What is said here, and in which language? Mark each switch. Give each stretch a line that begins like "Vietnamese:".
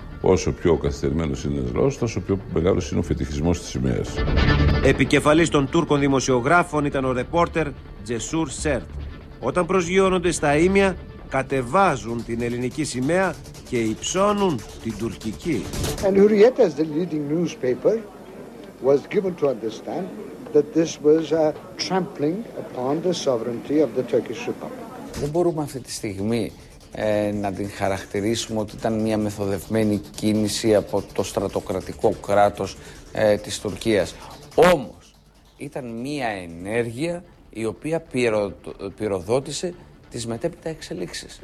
Greek: Όσο πιο καθυστερημένος είναι ο λαός, τόσο πιο μεγάλος είναι ο φετιχισμός της σημαίας. Επικεφαλής των Τούρκων δημοσιογράφων ήταν ο ρεπόρτερ Τζεσούρ Σέρτ. Όταν προσγειώνονται στα Ήμια, κατεβάζουν την ελληνική σημαία και υψώνουν την τουρκική.
English: And Hurrieta, the leading newspaper, was given to understand that this was a trampling upon the sovereignty of the Turkish Republic.
Greek: Δεν μπορούμε αυτή τη στιγμή να την χαρακτηρίσουμε ότι ήταν μια μεθοδευμένη κίνηση από το στρατοκρατικό κράτος της Τουρκίας. Όμως ήταν μια ενέργεια η οποία πυροδότησε τις μετέπειτα εξελίξεις.